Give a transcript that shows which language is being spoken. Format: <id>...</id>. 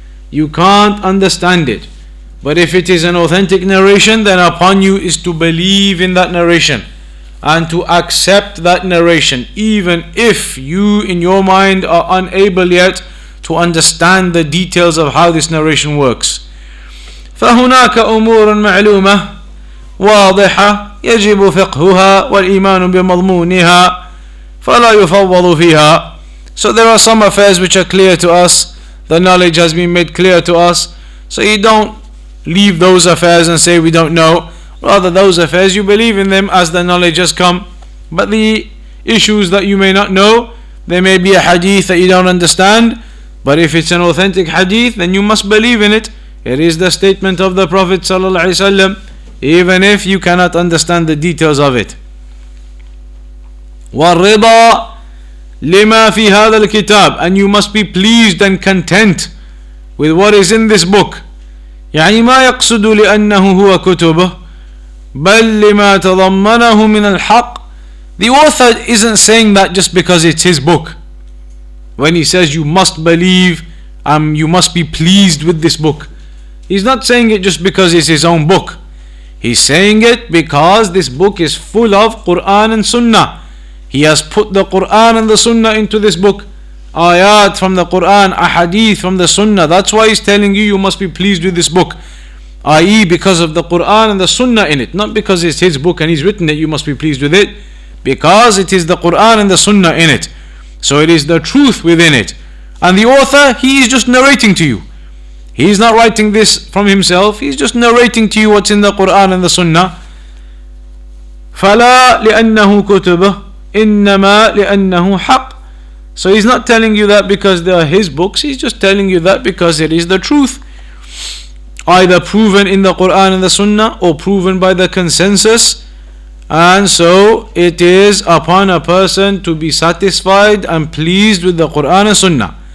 <en>You can't understand it. But if it is an authentic narration, then upon you is to believe in that narration and to accept that narration, even if you in your mind are unable yet to understand the details of how this narration works.</en> <ar>فهناك أمور معلومة واضحة يجب فقهها والإيمان بمضمونها فلا يفوض فيها.</ar> <en>So there are some affairs which are clear to us, the knowledge has been made clear to us, so you don't leave those affairs and say we don't know. Rather, those affairs you believe in them as the knowledge has come, but the issues that you may not know, there may be a hadith that you don't understand, but if it's an authentic hadith, then you must believe in it. It is the statement of the Prophet sallallahu alaihi wasallam, even if you cannot understand the details of it.</en> <ar>والرضا لما في هذا الكتاب.</ar> <en>And you must be pleased and content with what is in this book.</en> <ar>يعني ما يقصد لأنه هو كتبه بل لما تضمنه من الحق.</ar> <en>The author isn't saying that just because it's his book. When he says you must believe and you must be pleased with this book, he's not saying it just because it's his own book. He's saying it because this book is full of Quran and Sunnah. He has put the Qur'an and the Sunnah into this book. Ayat from the Qur'an, ahadith from the Sunnah. That's why he's telling you, you must be pleased with this book. I.e. because of the Qur'an and the Sunnah in it. Not because it's his book and he's written it, you must be pleased with it. Because it is the Qur'an and the Sunnah in it. So it is the truth within it. And the author, he is just narrating to you. He's not writing this from himself. He's just narrating to you what's in the Qur'an and the Sunnah.</en> <ar>فَلَا لِأَنَّهُ كُتُبَهُ إنما لأنه حق.</ar> <en>So he's not telling you that because they are his books, he's just telling you that because it is the truth, either proven in the Quran and the Sunnah or proven by the consensus. And so it is upon a person to be satisfied and pleased with the Quran and Sunnah.</en>